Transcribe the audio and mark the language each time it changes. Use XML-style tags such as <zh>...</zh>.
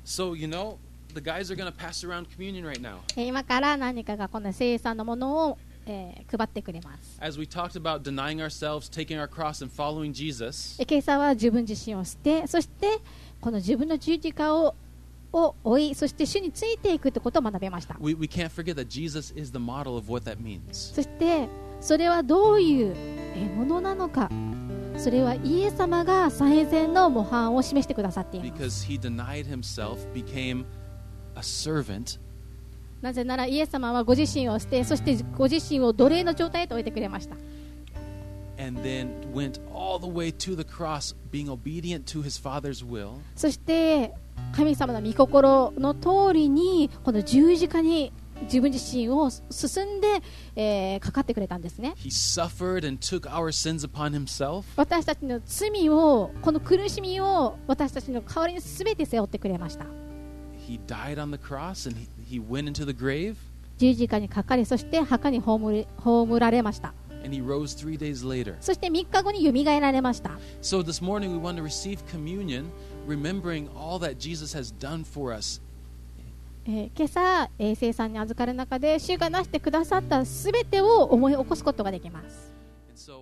<en>So, you know,The guys are going to pass around communion right now.</en> <ja>今から何かがこの聖餐のものを、配ってくれます。</ja> <en>As we talked about denying ourselves, taking our cross and following Jesus.</en> <ja>今朝は自分自身を捨て、そしてこの自分の十字架を追い、そして主についていくということを学びました。</ja> <en>We can't forget that Jesus is the model of what that means.</en> <ja>そしてそれはどういうものなのか。それはイエス様が最善の模範を示してくださっています。</ja> <en>Because he denied himself, becameA servant.</en> <ja>なぜならイエス様はご自身を捨て、そしてご自身を奴隷の状態へと置いてくれました。</ja> <en>And then went all the way to the cross, being obedient to his father's will.</en> <ja>そして神様の御心の通りにこの十字架に自分自身を進んで、かかってくれたんですね。</ja> <en>He suffered and took our sins upon himself.</en> <ja>私たちの罪を、この苦しみを私たちの代わりにすべて背負ってくれました。</ja> <en>He died on the cross and he went into the grave.</en> <ja>十字架にかかり、そして墓に葬られました。</ja> <en>And he rose three days later.</en> <ja>そして三日後に蘇られました。</ja> <en>So this morning we want to receive communion, remembering all that Jesus has done for us.</en> <ja>今朝、聖餐に預かる中で主がなしてくださったすべてを思い起こすことができます。</ja>